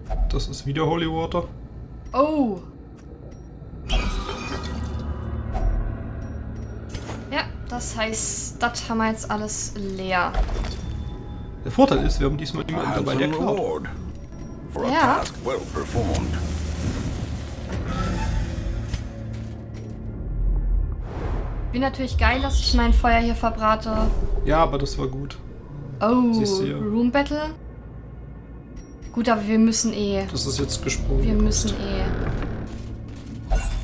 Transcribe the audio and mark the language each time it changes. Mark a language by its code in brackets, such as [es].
[de] Das ist wieder Holy Water. Oh. Ja, das heißt, das haben wir jetzt alles leer. Der Vorteil ist, wir haben diesmal niemanden dabei, der klaut. [en] For a task well performed. [de] Bin natürlich geil, dass ich mein Feuer hier verbrate. Ja, aber das war gut. Oh, Room Battle? Gut, aber wir müssen eh. Das ist jetzt gesprungen. Wir müssen eh.